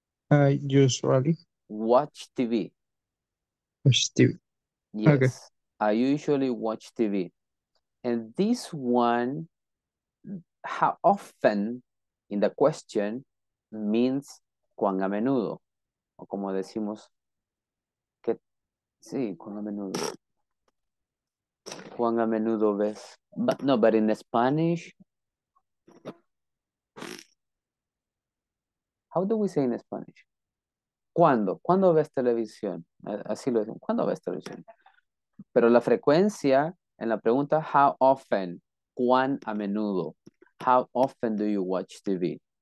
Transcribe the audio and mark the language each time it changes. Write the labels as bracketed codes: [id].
[en] I usually. Watch TV. Watch TV. Yes. Okay. I usually watch TV. And this one, how often in the question means cuán a menudo. [es] O como decimos, que, sí, cuán a menudo. Cuán a menudo ves. [en] But, no, but in Spanish, how do we say in Spanish? [es] ¿Cuándo? ¿Cuándo ves televisión? Así lo dicen. ¿Cuándo ves televisión? Pero la frecuencia en la pregunta, how often, cuán a menudo, how often do you watch TV?